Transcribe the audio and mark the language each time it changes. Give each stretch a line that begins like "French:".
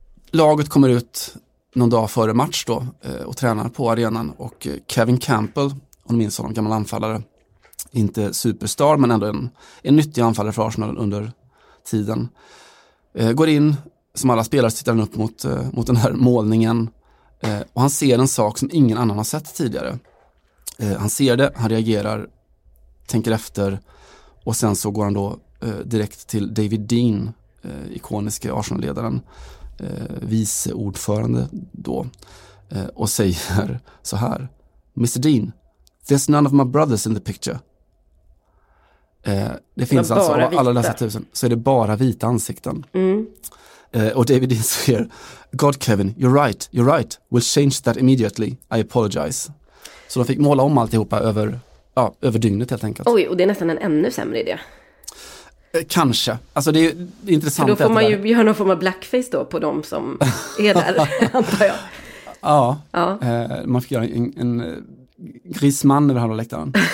Swedish: Laget kommer ut någon dag före match då och tränar på arenan, och Kevin Campbell, om ni minns honom, gammal anfallare, inte superstar men ändå en nyttig anfallare för Arsenal under tiden, går in som alla spelare, tittar upp mot den här målningen, och han ser en sak som ingen annan har sett tidigare. Han ser det, han reagerar, tänker efter, och sen så går han då direkt till David Dean, ikoniske Arsenal-ledaren, vice ordförande då, och säger så här: Mr.
English: Dean, there's none of my brothers in the picture.
Swedish: Det finns alltså av alla dessa tusen så är det bara vita ansikten. Och David Dean säger:
English: God, Kevin, you're right, we'll change that immediately, I apologize.
Swedish: Så de fick måla om alltihopa över dygnet helt enkelt. Oj, och det är nästan en ännu sämre idé. Kanske, alltså det är intressant. För då får man ju göra någon form av blackface då på dem som är där, antar jag. Ja, man fick göra en grisman över halva läktaren.